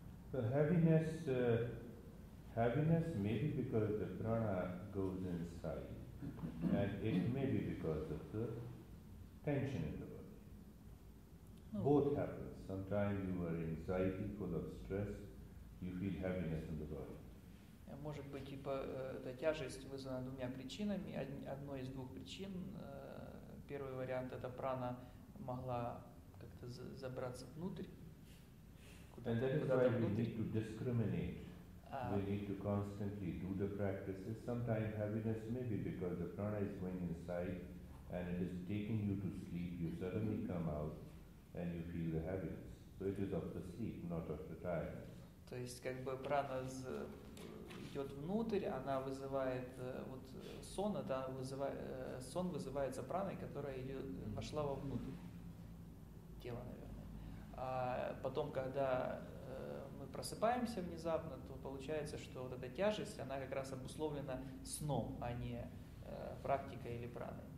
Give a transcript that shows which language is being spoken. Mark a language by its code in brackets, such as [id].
[en] The heaviness may be because the prana goes inside, and it may be because of the tension in the body. Both happens. Sometimes you are anxiety, full of stress, you feel heaviness in the body. [ru] Может быть, типа, эта тяжесть вызвана двумя причинами. Одной из двух причин. Первый вариант – это прана могла как-то забраться внутрь. [en] And that is why we need to discriminate. We need to constantly do the practices. Sometimes heaviness may be because the prana is going inside and it is taking you to sleep. You suddenly come out and you feel the heaviness. So it is of the sleep, not of the tiredness. [ru] То есть как бы прана идет внутрь, она вызывает вот сон, это вызывает сон вызывается праной, которая вошла вовнутрь тела, наверное. А потом, когда мы просыпаемся внезапно, то получается, что вот эта тяжесть, она как раз обусловлена сном, а не практикой или праной.